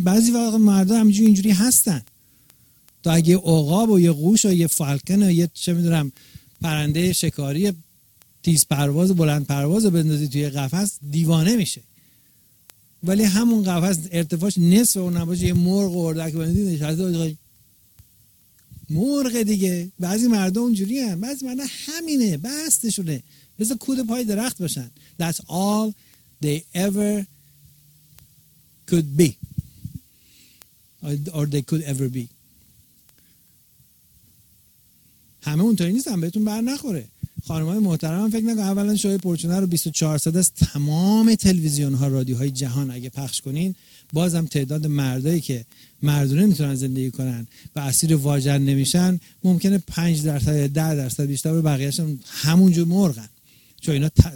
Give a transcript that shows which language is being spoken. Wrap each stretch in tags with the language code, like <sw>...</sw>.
<fa>بعضی وقت مردا همینجوری اینجوری هستن، تا اگه عقاب و یه قوش و یه فالکن و یه چه میدونم پرنده شکاری تیز پرواز و بلند پرواز رو بندازی توی قفس دیوانه میشه، ولی همون قفس ارتفاعش نصف اون نباشه یه مرغ و اردک بندازی نشسته باشه مرغ دیگه. بعضی مردم اونجوری هم، بعضی مردم همینه، بستشونه، بذار کود پای درخت باشن.</fa> <en>That's all they ever could be or they could ever be.</en> <fa>همه اونطوری نیستن، بهتون بر نخوره. خانمای محترم فکر نکنید اولا شوهای پرچونه رو 24 ساعت از تمام تلویزیون ها رادیو های جهان اگه پخش کنین، بازم تعداد مردایی که مردونه میتونن زندگی کنن و اسیر واژن نمیشن ممکنه 5% 10% بیشتر، به بقیهشون همونجور مرغن، چون اینا</fa>